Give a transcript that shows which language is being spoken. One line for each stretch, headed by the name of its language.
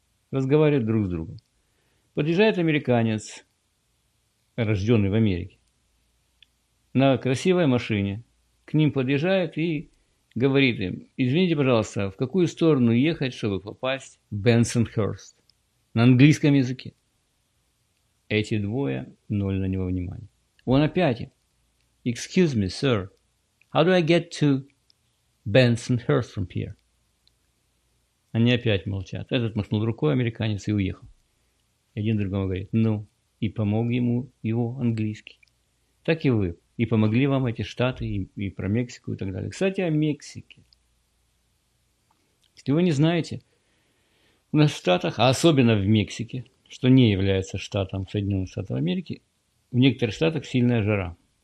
Russian: Разговаривают друг с другом. Подъезжает американец, рожденный в Америке, на красивой машине, к ним подъезжает и говорит им, извините, пожалуйста, в какую сторону ехать, чтобы попасть в Бенсонхерст? На английском языке. Эти двое, ноль на него внимания. Он опять,
English: excuse me, sir, how do I get to Bensonhurst from here?
Russian: Они опять молчат. Этот махнул рукой, американец, и уехал. И один другому говорит, ну, и помог ему его английский. Так и вы. И помогли вам эти штаты, и про Мексику, и так далее. Кстати, о Мексике. Если вы не знаете, у нас в Штатах, а особенно в Мексике, что не является штатом Соединенных Штатов Америки, в некоторых штатах сильная жара.